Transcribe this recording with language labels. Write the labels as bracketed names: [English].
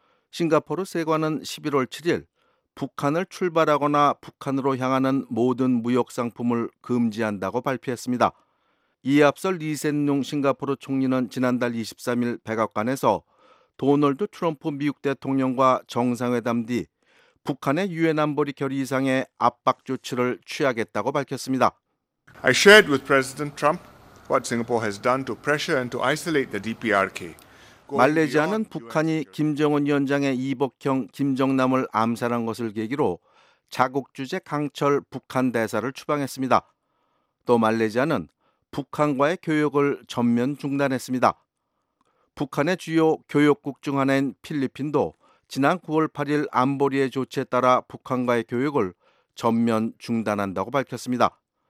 [Korean] 싱가포르 세관은 11월 7일 북한을 출발하거나 북한으로 향하는 모든 무역 상품을 금지한다고 발표했습니다. 이에 앞서 리센룽 싱가포르 총리는 지난달 23일 백악관에서 도널드 트럼프 미국 대통령과 정상회담 뒤 북한의 유엔 안보리 결의 이상의 압박 조치를 취하겠다고 밝혔습니다. [English] I shared with President Trump what Singapore has done to pressure and to isolate the DPRK. [Korean] 말레이시아는 북한이 김정은 위원장의 이복형 김정남을 암살한 것을 계기로 자국주재 강철 북한 대사를 추방했습니다. 또 말레이시아는 북한과의 교역을 전면 중단했습니다. 북한의 주요 교역국 중 하나인 필리핀도 지난 9월 8일 안보리의 조치에 따라 북한과의 교역을 전면 중단한다고 밝혔습니다.